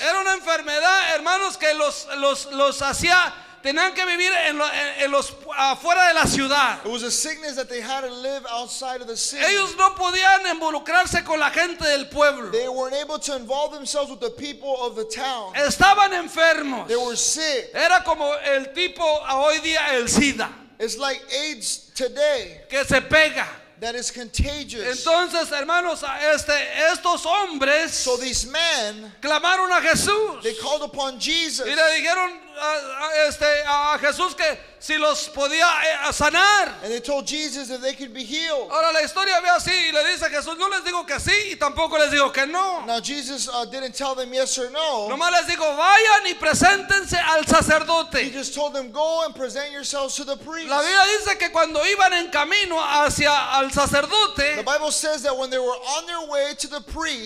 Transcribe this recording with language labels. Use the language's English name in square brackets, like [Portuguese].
[Spanish] Era una enfermedad, hermanos, que los hacía tenían que vivir en los afuera de la ciudad. [English] It was a sickness that they had to live outside of the city. [Spanish] Ellos no podían involucrarse con la gente del pueblo. [English] They weren't able to involve themselves with the people of the town. [Spanish] Estaban enfermos. [English] They were sick. [Spanish] Era como el tipo hoy día el SIDA. [English] It's like AIDS today. [Spanish] Que se pega. [English] That is contagious. [Spanish] Entonces, hermanos, estos hombres, [English] so these men, [Spanish] clamaron a Jesús. [English] They called upon Jesus. [Spanish] Y le dijeron a Jesús que si los podía sanar. [English] And they told Jesus that they could be healed. [Spanish] Ahora la historia ve así y le dice a Jesús, no les digo que sí y tampoco les digo que no. [English] Now Jesus didn't tell them yes or no. [Spanish] Nomás les digo, vayan y preséntense al sacerdote. [English] He just told them, go and present yourselves to the priest. [Spanish] La Biblia dice que cuando iban en camino hacia al sacerdote, [English] the Bible says that when they were on their way to the priest,